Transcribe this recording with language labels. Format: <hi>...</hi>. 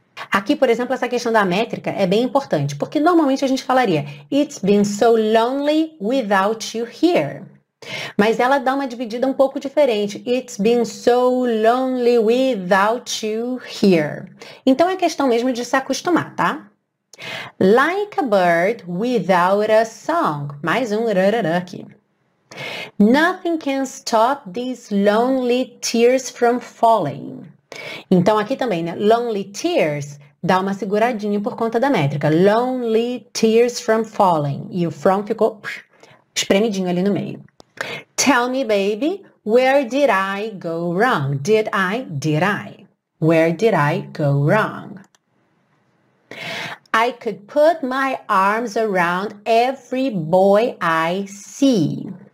<pt>Aqui, por exemplo, essa questão da métrica é bem importante, porque normalmente a gente falaria</pt> <en>It's been so lonely without you here.</en> <pt>Mas ela dá uma dividida um pouco diferente.</pt> <en>It's been so lonely without you here.</en> <pt>Então, é questão mesmo de se acostumar, tá?</pt> <en>Like a bird without a song.</en> <pt>Mais um rarará aqui.</pt> <en>Nothing can stop these lonely tears from falling.</en> <pt>Então, aqui também, né? Lonely tears, dá uma seguradinha por conta da métrica.</pt> <en>Lonely tears from falling.</en> <pt>E o from ficou espremidinho ali no meio.</pt> <en>Tell me, baby, where did I go wrong? Did I? Where did I go wrong? I could put my arms around every boy I see.</en>